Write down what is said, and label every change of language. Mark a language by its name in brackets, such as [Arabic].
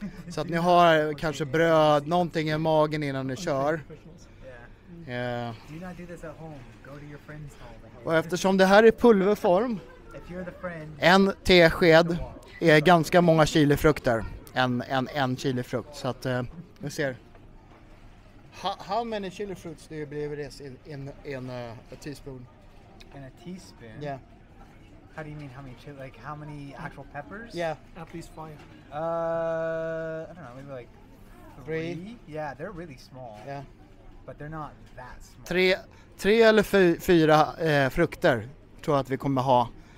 [Swedish] Så att ni har kanske bröd, någonting i magen innan ni kör. [English] Do not do this at home. Go to your friend's home. [Swedish] Och eftersom det här är pulverform. En tesked är ganska många chilifrukter. En chilifrukt. Så att vi ser. [English] How many chilifrukts do you believe it is in a teaspoon? In a teaspoon? Yeah. How do you mean how many chili, like how many actual peppers? Yeah. At least 5. I don't know, maybe like 3. Yeah, they're really small. Yeah. But they're not that small. [Swedish] Tre eller fyra frukter tror jag att vi kommer ha.